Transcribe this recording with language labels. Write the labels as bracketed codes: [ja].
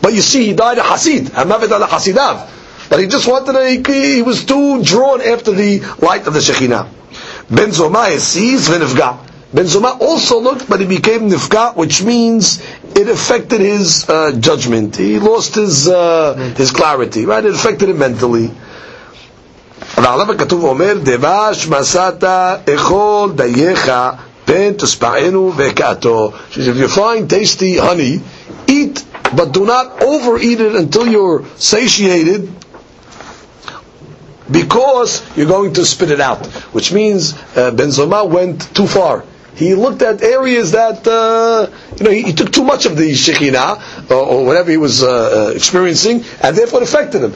[en] But you see, he died a Hasid. But he just wanted, he was too drawn after the light of the Shekhinah. Ben Zoma sees v'nifga. Ben Zoma also looked, but he became nifga, which means it affected his judgment. He lost his clarity, right? It affected him mentally. [he] ועליו הכתוב אומר דבש מסעת אכול דייך פן תשפענו וקעתו. [en] If you find tasty honey, eat, but do not overeat it until you're satiated, because you're going to spit it out. Which means Ben Zoma went too far. He looked at areas that, he took too much of the Shekhinah, or whatever he was experiencing, and therefore it affected him.